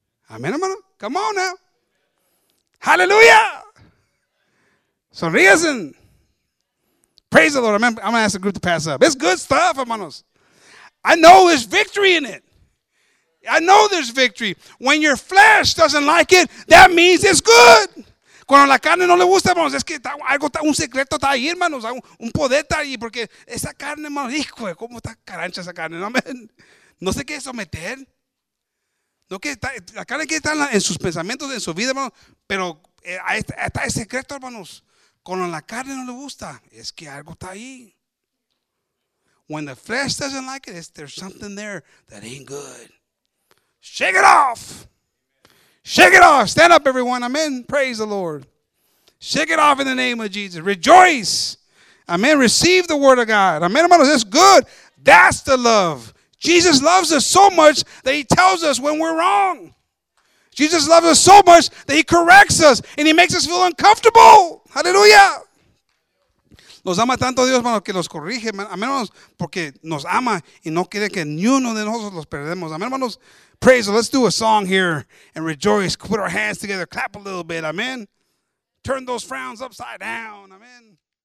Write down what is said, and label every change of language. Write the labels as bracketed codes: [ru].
[en] Amen, hermano. Come on now. Hallelujah. Sonríen. Praise the Lord. I'm going to ask the group to pass up. It's good stuff, hermanos. I know there's victory in it. I know there's victory. When your flesh doesn't like it, that means it's good. [es] Cuando la carne no le gusta, hermanos, es que está algo, un secreto está ahí, hermanos, un poder está ahí, porque esa carne, hermanos, hijo, cómo está carancha esa carne, no, man. No sé qué someter. No, que está, la carne que está en sus pensamientos, en su vida, hermanos, pero está el secreto, hermanos. Cuando la carne no le gusta, es que algo está ahí. [en] When the flesh doesn't like it, there's something there that ain't good. Shake it off. Shake it off. Stand up, everyone. Amen. Praise the Lord. Shake it off in the name of Jesus. Rejoice. Amen. Receive the word of God. Amen. That's good. That's the love. Jesus loves us so much that he tells us when we're wrong. Jesus loves us so much that he corrects us and he makes us feel uncomfortable. Hallelujah. [es] Nos ama tanto Dios, hermano, que los corrige, hermanos, porque nos ama y no quiere que ni uno de nosotros los perdemos. Amén, hermanos. [en] Praise the Lord. Let's do a song here and rejoice. Put our hands together. Clap a little bit. Amen. Turn those frowns upside down. Amen.